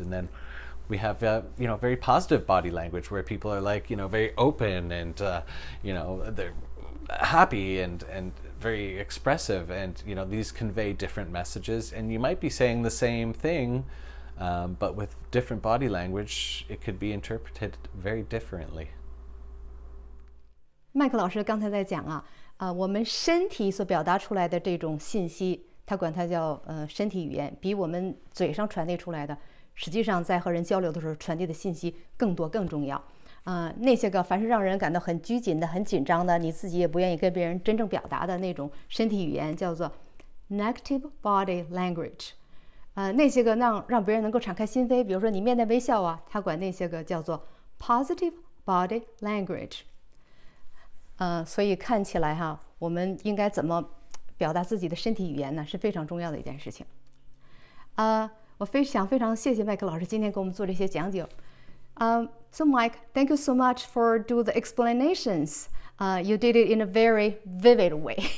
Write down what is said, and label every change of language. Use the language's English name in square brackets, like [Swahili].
[English] And then we have you know, very positive body language where people are like, you know, very open and you know, they're happy and very expressive, and you know, these convey different messages. And you might be saying the same thing but with different body language, it could be interpreted very differently. [Chinese] 麦克老师刚才在讲啊，我们身体所表达出来的这种信息，他管它叫身体语言，比我们嘴上传递出来的，实际上在和人交流的时候传递的信息更多更重要。那些个凡是让人感到很拘谨的、很紧张的，你自己也不愿意跟别人真正表达的那种身体语言，叫做 negative body language。那些个让别人能够敞开心扉，比如说你面带微笑啊，他管那些个叫做 positive body language。所以看起来哈，我们应该怎么表达自己的身体语言呢？是非常重要的一件事情。我非常谢谢麦克老师今天给我们做这些讲解。 [English] So Mike, thank you so much for do the explanations. You did it in a very vivid way.